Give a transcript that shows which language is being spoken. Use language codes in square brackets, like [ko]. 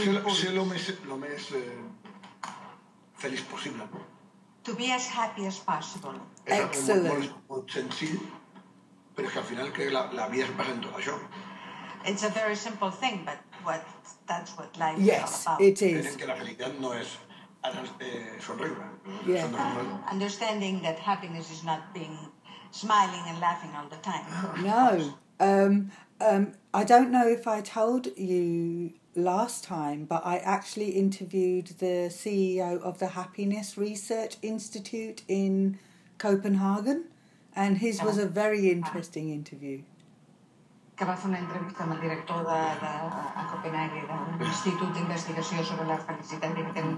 [ca] Ser lo més feliç possible. [en] To be as happy as possible. Excellent. [ca] Molt senzill, però és que al final que la vida es basa en tot això. [en] It's a very simple thing, but that's what life is all about. Yes, it is. [ca] Que la felicitat no és sonriure. [en] Yes. Understanding that happiness is not being smiling and laughing all the time. No. I don't know if I told you last time, but I actually interviewed the CEO of the Happiness Research Institute in Copenhagen, and his was a very interesting interview. [ca] Que va fer una entrevista amb el director de Copenhague, de l'Institut d'Investigació sobre la Felicitat, que té un